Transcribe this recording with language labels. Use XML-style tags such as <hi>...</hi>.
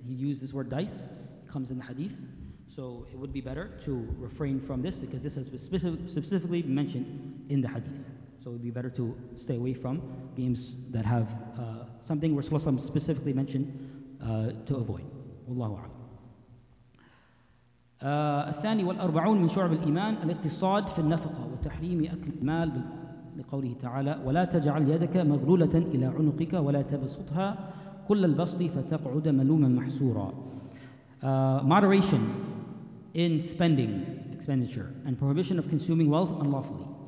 <en>He used this word dice, comes in the hadith. So it would be better to refrain from this because this has been specifically mentioned in the hadith. So it would be better to stay away from games that have something Rasulullah specifically mentioned to avoid.</en> <ar>Wallahu a'lam. الثاني والأربعون من شعب الإيمان الاقتصاد في النفقة وتحريم أكل المال لقوله تعالى ولا تجعل يدك مغلولة إلى عنقك ولا تبسطها كل البسط فتقعد ملوما محسورا.</ar> <en>Moderation in spending, expenditure, and prohibition of consuming wealth unlawfully.</en>